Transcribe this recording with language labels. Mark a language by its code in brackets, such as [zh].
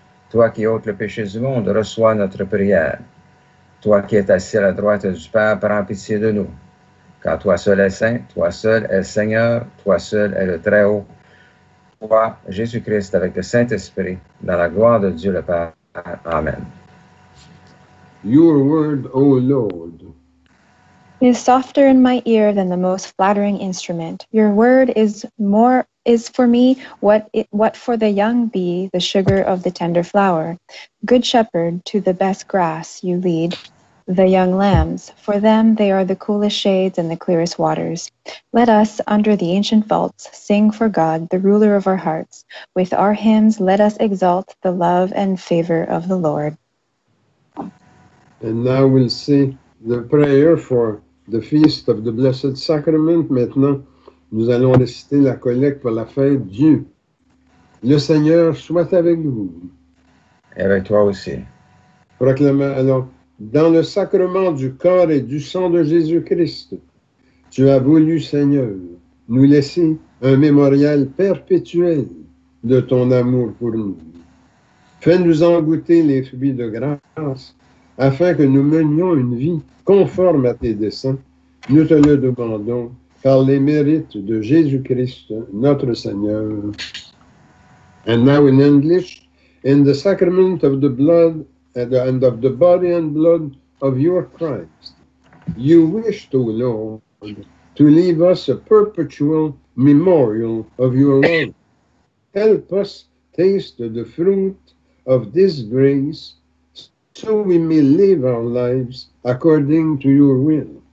[fr] Toi qui ôtes le péché du monde, reçois notre prière. Toi qui es assis à la droite du Père, prends pitié de nous. Car toi seul es saint, toi seul es Seigneur, toi seul es le Très-Haut. Toi, Jésus-Christ, avec le Saint-Esprit, dans la gloire de Dieu le Père. Amen. [en] Your word, O Lord, is softer in my ear than the most flattering instrument. Your word is for me what for the young bee the sugar of the tender flower. Good shepherd, to the best grass you lead the young lambs. For them they are the coolest shades and the clearest waters. Let us, under the ancient vaults, sing for God, the ruler of our hearts. With our hymns, let us exalt the love and favor of the Lord. And now we'll see the prayer for the Feast of the Blessed Sacrament. [fr] Maintenant, nous allons réciter la collecte pour la fête Dieu. Le Seigneur soit avec vous. Et avec toi aussi. Proclamons alors, dans le sacrement du corps et du sang de Jésus-Christ, tu as voulu, Seigneur, nous laisser un mémorial perpétuel de ton amour pour nous. Fais-nous en goûter les fruits de grâce, afin que nous menions une vie conforme à tes desseins, nous te le demandons par les mérites de Jésus-Christ, notre Seigneur. [en] And now in English, in the sacrament of the blood and of the body and blood of your Christ, you wished, O Lord, to leave us a perpetual memorial of your love. Help us taste the fruit of this grace, so we may live our lives according to your will.